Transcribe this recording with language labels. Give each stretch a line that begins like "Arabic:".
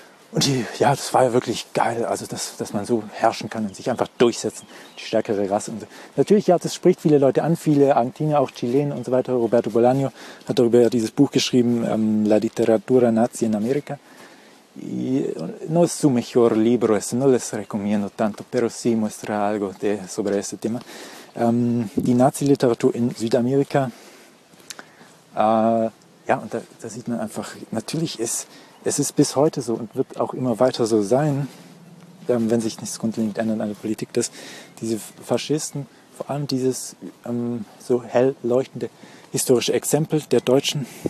German: Und die, ja, das war ja wirklich geil, also dass man so herrschen kann und sich einfach durchsetzen, die stärkere Rasse und so. Natürlich, ja, das spricht viele Leute an, viele Argentinier, auch Chilen und so weiter. Roberto Bolaño hat darüber ja dieses Buch geschrieben, La Literatura Nazi in Amerika.
Spanish: No es su mejor libro, es no les recomiendo tanto, pero sí muestra algo de sobre ese tema.
German: Die Nazi-Literatur in Südamerika, ja, und da sieht man einfach, natürlich ist... Es ist bis heute so und wird auch immer weiter so sein, wenn sich nichts grundlegend ändert an der Politik, dass diese Faschisten, vor allem dieses so hell leuchtende historische Exempel der Deutschen